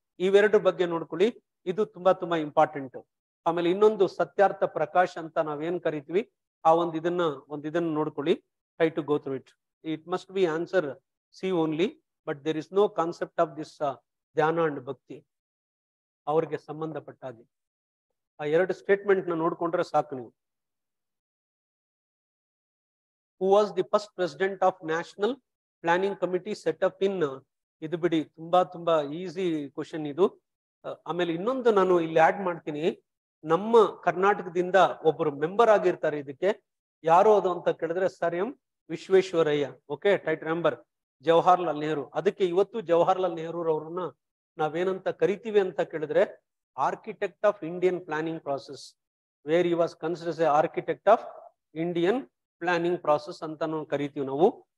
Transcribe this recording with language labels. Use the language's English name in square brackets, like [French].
[Kannada] ಇವೆರಡು ಬಗ್ಗೆ ನೋಡ್ಕೊಳ್ಳಿ, ಇದು ತುಂಬಾ ತುಂಬಾ ಇಂಪಾರ್ಟೆಂಟ್. ಆಮೇಲೆ ಇನ್ನೊಂದು ಸತ್ಯಾರ್ಥ ಪ್ರಕಾಶ್ ಅಂತ ನಾವೇನ್ ಕರಿತೀವಿ ಆ ಒಂದಿದನ್ನ ನೋಡ್ಕೊಳ್ಳಿ. [English] try to go through it, it must be answer C only, but there is no concept of this ಧ್ಯಾನ and ಭಕ್ತಿ [Kannada] ಅವ್ರಿಗೆ ಸಂಬಂಧಪಟ್ಟಾಗಿ. ಆ ಎರಡು ಸ್ಟೇಟ್ಮೆಂಟ್ ನ ನೋಡ್ಕೊಂಡ್ರೆ ಸಾಕು ನೀವು. [English] who was the first president of National Planning Committee set up in [Kannada] ಇದು ಬಿಡಿ ತುಂಬಾ ತುಂಬಾ ಈಸಿ ಕ್ವಶನ್ ಇದು. ಆಮೇಲೆ ಇನ್ನೊಂದು ನಾನು ಇಲ್ಲಿ ಆಡ್ ಮಾಡ್ತೀನಿ, ನಮ್ಮ ಕರ್ನಾಟಕದಿಂದ ಒಬ್ಬರು ಮೆಂಬರ್ ಆಗಿರ್ತಾರೆ ಇದಕ್ಕೆ, ಯಾರು ಅದು ಅಂತ ಕೇಳಿದ್ರೆ sir M Visvesvaraya. [English] Okay, title member Jawaharlal Nehru. [Kannada] ಅದಕ್ಕೆ ಇವತ್ತು ಜವಾಹರ್ಲಾಲ್ ನೆಹರು ಅವರನ್ನ ನಾವೇನಂತ ಕರಿತೀವಿ ಅಂತ ಕೇಳಿದ್ರೆ [English] architect of Indian planning process, where he was considers a architect of Indian planning process [Kannada] ಅಂತ ಕರಿತೀವಿ ನಾವು.